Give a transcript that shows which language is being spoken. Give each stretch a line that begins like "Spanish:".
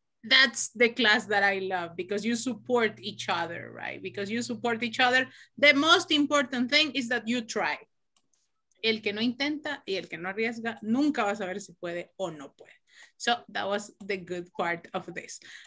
English: That's the class that I love, because you support each other, right? Because you support each other. The most important thing is that you try.
Spanish: El que no intenta y el que no arriesga, nunca va a saber si puede o no puede.
English: So that was the good part of this.